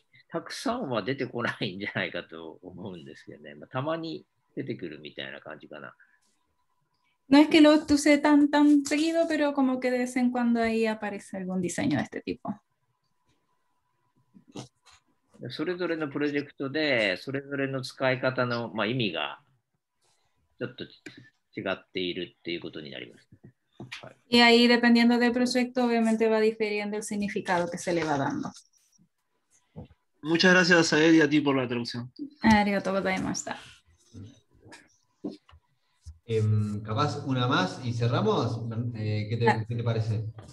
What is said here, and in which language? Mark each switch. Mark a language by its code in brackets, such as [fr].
[ja] たくさんは出てこないんじゃないかと思うんですけどね。まあ、たまに出てくるみたいな感じかな。 [es] No es que lo use tan seguido, pero como que de vez en cuando ahí aparece algún diseño de este tipo. [ja] それぞれのプロジェクトで、それぞれの使い方の、まあ、意味がちょっと違っているっていうことになります。 [es] はい、y ahí dependiendo del proyecto, obviamente va diferiendo el significado que se le va dando. Muchas gracias a él y a ti por la traducción. [ja] Arigato gozaimashita. [es] Capaz una más y cerramos. ¿Qué te parece?